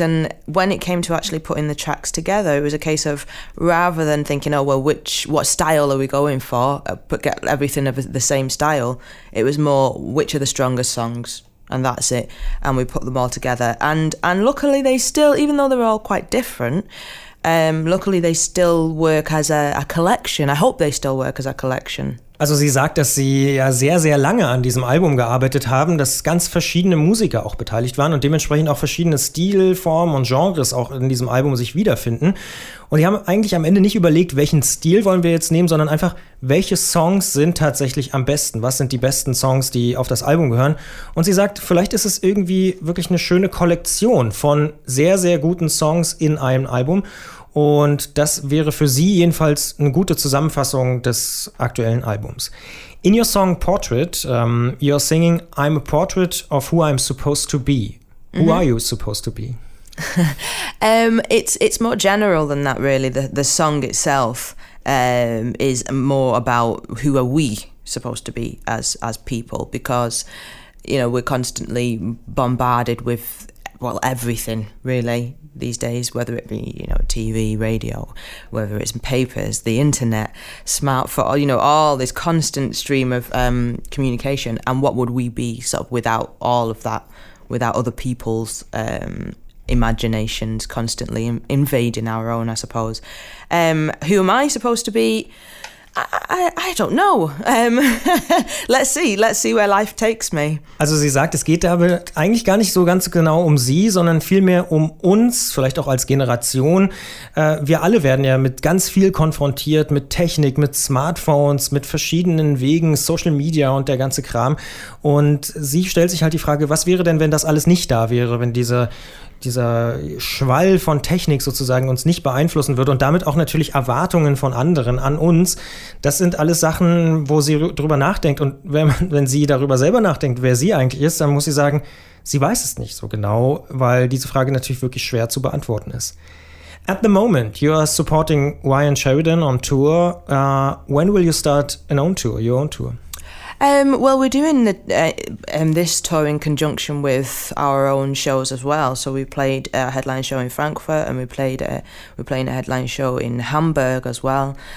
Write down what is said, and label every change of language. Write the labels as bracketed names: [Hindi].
[English] And when it came to actually putting the tracks together, it was a case of, rather than thinking, oh, well, what style are we going for, but get everything of the same style, it was more, which are the strongest songs? And that's it. And we put them all together. And luckily, they still, even though they're all quite different, luckily, they still work as a collection. I hope they still work as a collection. [German] Also sie sagt, dass sie ja sehr, sehr lange an diesem Album gearbeitet haben, dass ganz verschiedene Musiker auch beteiligt waren und dementsprechend auch verschiedene Stilformen und Genres auch in diesem Album sich wiederfinden. Und sie haben eigentlich am Ende nicht überlegt, welchen Stil wollen wir jetzt nehmen, sondern einfach, welche Songs sind tatsächlich am besten? Was sind die besten Songs, die auf das Album gehören? Und sie sagt, vielleicht ist es irgendwie wirklich eine schöne Kollektion von sehr, sehr guten Songs in einem Album. Und das wäre für sie jedenfalls eine gute Zusammenfassung des aktuellen Albums. [English] In your song Portrait, you're singing, I'm a portrait of who I'm supposed to be. Mm-hmm. Who are you supposed to be? it's more general than that, really. The song itself is more about who are we supposed to be as people, because, you know, we're constantly bombarded with, well, everything, really, these days, whether it be, you know, TV, radio, whether it's papers, the internet, smartphone, you know, all this constant stream of communication. And what would we be sort of without all of that, without other people's imaginations constantly invading our own, I suppose. Who am I supposed to be? I don't know. Let's see where life takes me. [German] Also sie sagt, es geht aber eigentlich gar nicht so ganz genau um sie, sondern vielmehr um uns, vielleicht auch als Generation. Wir alle werden ja mit ganz viel konfrontiert, mit Technik, mit Smartphones, mit verschiedenen Wegen, Social Media und der ganze Kram. Und sie stellt sich halt die Frage, was wäre denn, wenn das alles nicht da wäre, wenn dieser Schwall von Technik sozusagen uns nicht beeinflussen würde und damit auch natürlich Erwartungen von anderen an uns. Das sind alles Sachen, wo sie drüber nachdenkt. Und wenn sie darüber selber nachdenkt, wer sie eigentlich ist, dann muss sie sagen, sie weiß es nicht so genau, weil diese Frage natürlich wirklich schwer zu beantworten ist. [English] At the moment, you are supporting Ryan Sheridan on tour. When will you start an own tour, your own tour? Well, we're doing this tour in conjunction with our own shows as well. So we played a headline show in Frankfurt, and we're playing a headline show in Hamburg as well.